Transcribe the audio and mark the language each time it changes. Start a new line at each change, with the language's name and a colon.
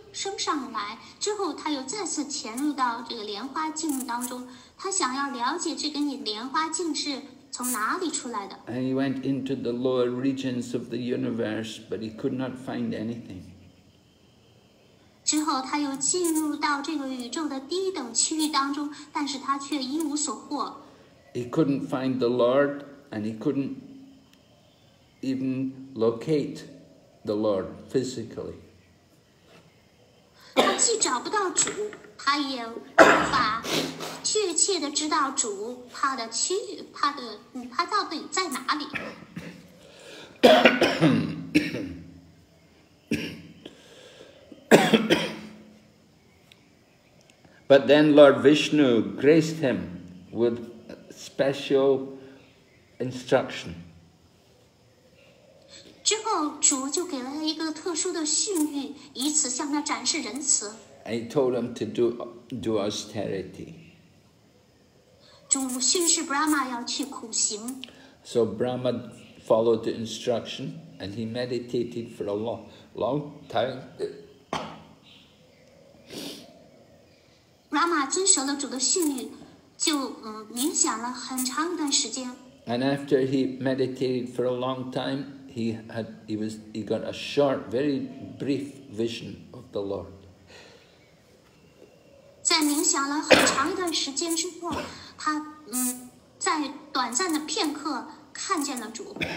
Chinese: 升上来之后，他又再次潜入到这个莲花镜当中，他想要了解这根莲花镜是从哪里出来的。
English: And he went into the lower regions of the universe, but he could not find anything.
Chinese: 之后他又进入到这个宇宙的低等区域当中，但是他却一无所获。
English: He couldn't find the Lord, and he couldn't even locate the Lord physically.
Chinese: 他既找不到主，他也无法确切地知道主他的区域，他到底在哪里。
English: But then Lord Vishnu graced him with special instruction.
Chinese: 之后主就给了他一个特殊的训谕，以此向他展示仁慈。
English: And he told him to do austerity.
Chinese: 主训示 Brahma 要去苦行。
English: So Brahma followed the instruction and he meditated for a long time.
Chinese: Brahma 遵守了主的训谕，就冥想了很长一段时间。
English: And after he meditated for a long time, he got a short, very brief vision of the Lord.
Chinese: 在冥想了很长一段时间之后，他在短暂的片刻看见了主。